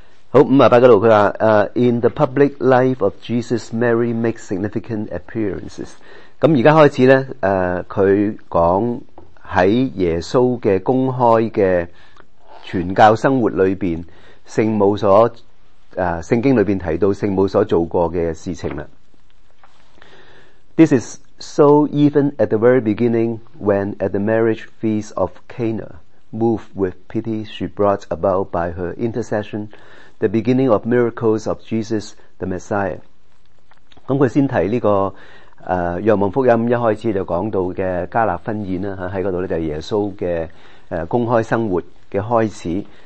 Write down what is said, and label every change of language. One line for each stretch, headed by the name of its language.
Cantonese: 好，58嗰度佢话，
English: In the public life of Jesus, Mary makes significant appearances。
Cantonese: 咁而家开始咧，佢讲喺耶稣嘅公开嘅传教生活里边，圣母所圣经里边提到圣母所做过嘅事情啦。
English: This is so even at the very beginning, when at the marriage feast of Cana, moved with pity she brought about by her intercession. The beginning of miracles of Jesus, the Messiah。
Cantonese: 咁佢先提呢、這个约望福音一开始就讲到嘅加勒婚宴啦，喺嗰度咧就耶稣嘅公开生活嘅开始。